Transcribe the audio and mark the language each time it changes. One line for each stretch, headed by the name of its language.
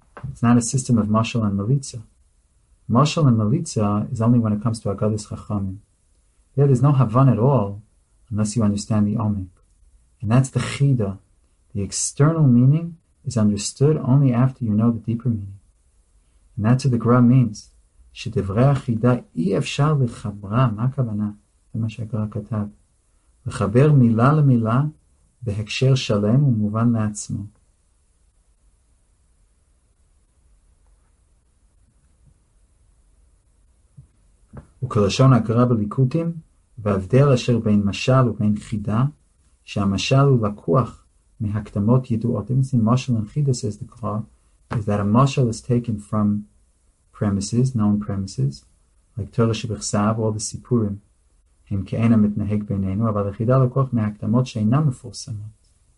English: It's not a system of mashal and melitza. Mashal and melitza is only when it comes to agadis chachamim. There is no havan at all unless you understand the omik. And that's the chida. The external meaning is understood only after you know the deeper meaning. And that's what the Gra means.
Hebrew: שדברי החידה אי אפשר לחברה, מה הכוונה? זה מה שהגרא כתב. לחבר מילה למילה בהקשר שלם ומובן לעצמו. וכלשון הגרא בליקוטים, והבדל אשר בין משל ובין חידה, שהמשל הוא לקוח מהקדמות ידועות. אם זה משל וחידה,
English: says the Gra, is that a משל is taken from premises, known premises, like Torah Shebichsav, all the Sipurim,
Hebrew: הם כאין המתנהג בינינו, אבל החידה לקוח מהקדמות שאינם מפורסמות.